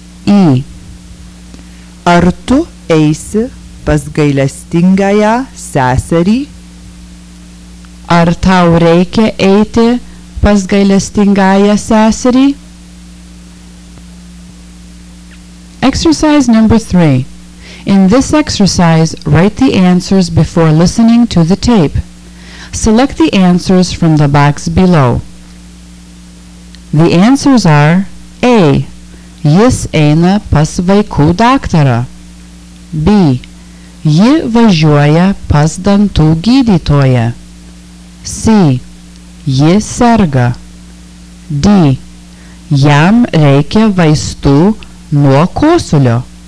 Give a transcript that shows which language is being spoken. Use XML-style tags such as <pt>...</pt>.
<en>I.</en> <lt>Ar tu eisi pas gailestingąją seserį? Ar tau reikia eiti pas gailestingąją seserį?</lt> <en>Exercise number three. In this exercise, write the answers before listening to the tape. Select the answers from the box below. The answers are A.</en> <lt>Jis eina pas vaikų daktarą. B. Ji važiuoja pas dantų gydytoją. C. Ji serga. D. Jam reikia vaistų nuo kosulio.</lt>